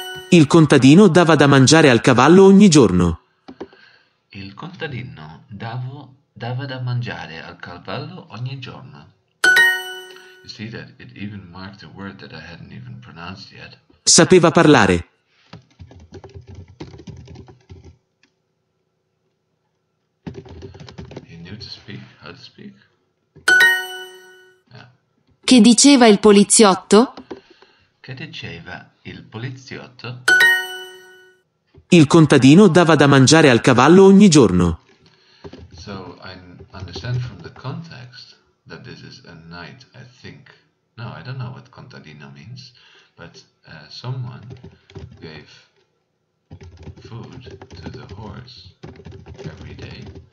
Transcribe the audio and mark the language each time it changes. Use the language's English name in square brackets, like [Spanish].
[Italian] Il contadino dava da mangiare al cavallo ogni giorno. Il contadino dava da mangiare al cavallo ogni giorno. [English] You see that it even marked a word that I hadn't even pronounced yet. [Italian] Sapeva parlare. [English] He knew to speak, how to speak. [Italian] Yeah. Che diceva il poliziotto? Che diceva il poliziotto? Il contadino dava da mangiare al cavallo ogni giorno. [English] So I understand from the context that this is a knight, I think. No, I don't know what contadino means, but someone gave food to the horse every day.